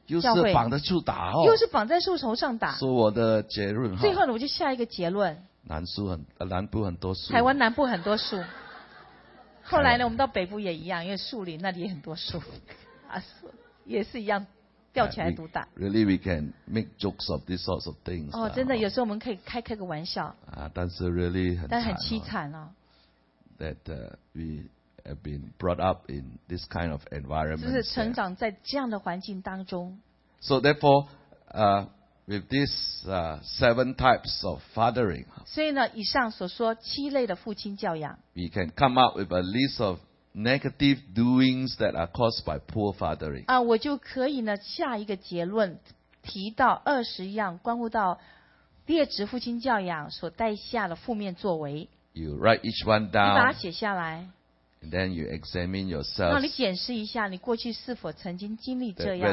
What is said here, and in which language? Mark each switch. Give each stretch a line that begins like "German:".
Chinese: 又是绑在树打哦，又是绑在树头上打。说我的结论，最后呢，我就下一个结论。南部很多树，台湾南部很多树。后来呢，我们到北部也一样，因为树林那里也很多树，也是一样吊起来毒打。
English: Really, we can make jokes of these sorts of things.
Chinese: 哦，真的，有时候我们可以开个玩笑。啊，但是 really 很，但很凄惨哦。
English: That we have been brought up in this kind of environment.
Chinese: 就是成长在这样的环境当中。
English: So therefore, with these seven types of fathering.
Chinese: 所以呢，以上所说七类的父亲教养。
English: We can come up with a list of negative doings that are caused by poor fathering.
Chinese: 啊，我就可以呢下一个结论，提到二十样关乎到劣质父亲教养所带下的负面作为。
English: You write each one down.
Chinese: 你把它写下来。
English: And then you examine yourself.
Chinese: 让你检视一下，你过去是否曾经经历这样。